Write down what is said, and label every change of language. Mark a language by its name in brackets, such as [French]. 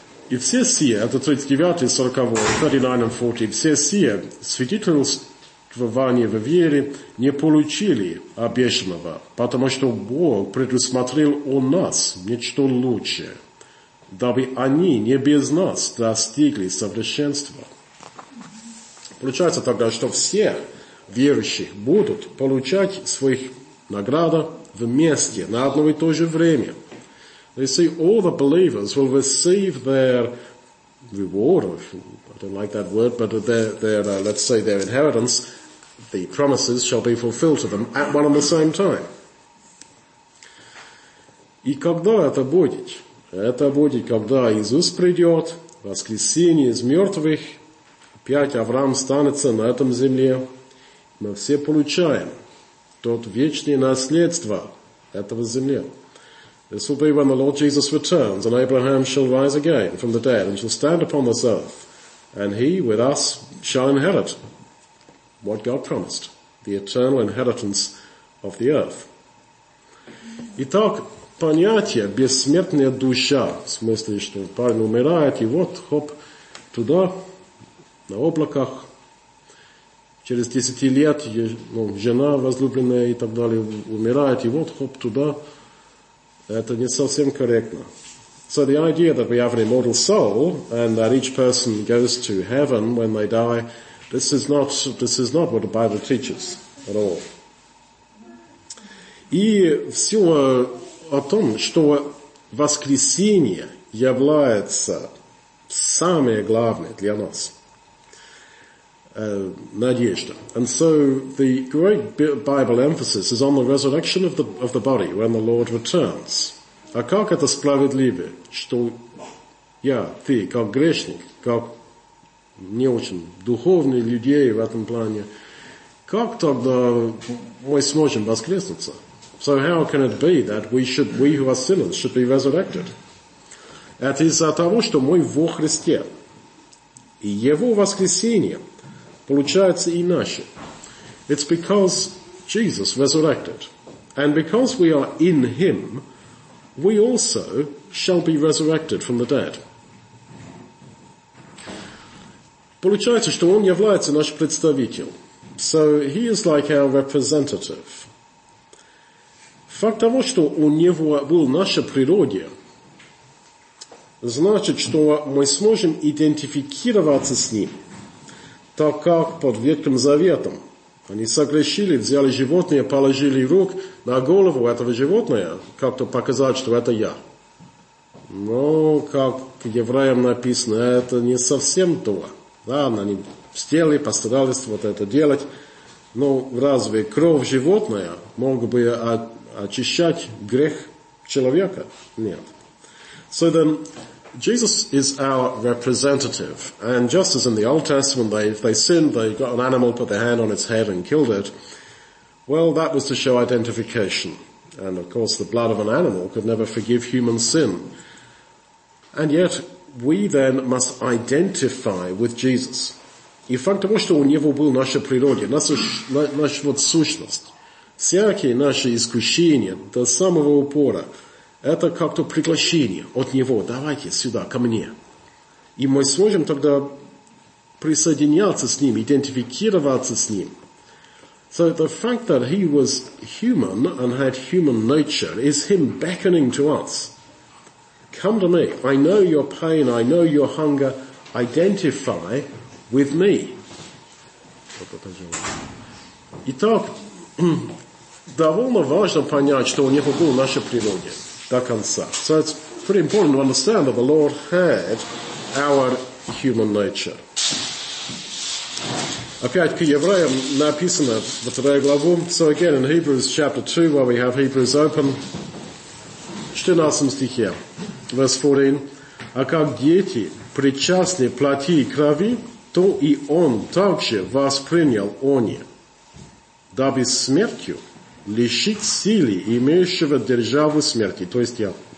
[Russian] И все сие, это 39 и 40, 39 и 40, все сие свидетельствуют, в вере не получили обещанного, потому что Бог предусмотрел у нас нечто лучшее, дабы они не без нас достигли совершенства. Получается тогда, что все верующие будут получать своих награда вместе, на одно и то же время. [English] They say all the believers will receive their reward, I don't like that word, but their inheritance. The promises shall be fulfilled to them at one and the same time. [Russian] И когда это будет? Это будет, когда Иисус придет, воскресение из мертвых, опять Авраам станется на этом земле. Мы все получаем тот вечное наследство этого земли. [English] This will be when the Lord Jesus returns, and Abraham shall rise again from the dead, and shall stand upon this earth, and he with us shall inherit what God promised, the eternal inheritance of the earth. [Russian] Итак, понятие бессмертная душа, в смысле, что парень умирает, и вот, хоп, туда, на облаках, через 10 лет, ну, жена возлюбленная и так далее умирает, и вот, хоп, туда, это не совсем корректно. [English] So the idea that we have an immortal soul, and that each person goes to heaven when they die, This is not what the Bible teaches at all. [Russian] И все о том, что воскресение является самое главное для нас. Надежда. [English] And so the great Bible emphasis is on the resurrection of the body when the Lord returns. [Russian] А как это справедливо, что я, ты, как грешник, как не очень духовные людей в этом плане. Как тогда мы сможем воскреснуться? [English] So how can it be that we who are sinners should be resurrected? [Russian] Это из-за того, что мы во Христе. И Его воскресение получается иначе. [English] It's because Jesus resurrected. And because we are in Him, we also shall be resurrected from the dead. [Russian] Получается, что он является наш представитель. [English] So he is like our representative. [Russian] Факт того, что у него был наша природа, значит, что мы сможем идентифицироваться с ним, так как под Ветхим Заветом. Они согрешили, взяли животное, положили рук на голову этого животного, как-то показать, что это я. Но, как евреям написано, это не совсем то. Да, они сделали, постарались вот это делать. Но разве кровь животного мог бы очищать грех человека? Нет. [English] So then, Jesus is our representative. And just as in the Old Testament, if they sinned, they got an animal, put their hand on its head and killed it. Well, that was to show identification. And of course, the blood of an animal could never forgive human sin. And yet, we then must identify with Jesus. [Russian] И факт того, что у него был наша природа, наша вот сущность, всякие наши искушения до самого упора, это как-то приглашение от него, давайте сюда, ко мне. И мы сможем тогда присоединяться с ним, идентифицироваться с ним. [English] So the fact that he was human and had human nature is him beckoning to us. Come to me. I know your pain. I know your hunger. Identify with me. [Russian] Итак, довольно важно понять, что у него был наша природа до конца. [English] So it's pretty important to understand that the Lord had our human nature. [Russian] Опять к евреям написано в 2 главу. [English] So again in Hebrews chapter 2, where we have Hebrews open, [Russian] 14 стихе. [English] Verse 14. [Russian] А как дети причастны плоти и крови, то и он также воспринял они, дабы смертью лишить силы имеющего державу смерти. То есть я.